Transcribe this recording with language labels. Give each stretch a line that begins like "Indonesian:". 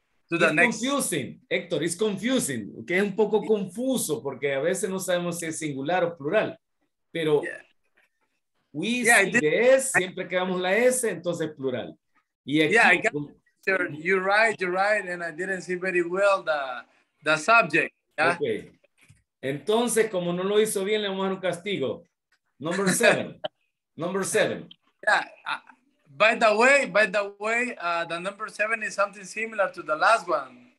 Spanish: Confusing, Héctor, es confusing, okay? Es un poco confuso porque a veces no sabemos si es singular o plural, pero
English: we see the S,
Spanish: siempre que vamos la S, entonces plural. Y aquí,
English: yeah, I got it. You're right, and I didn't see very well the subject. Yeah? Okay.
Spanish: Entonces, como no lo hizo bien, le vamos a dar un castigo.
English: Number seven. Yeah. By the way, the number seven is something similar to the last one.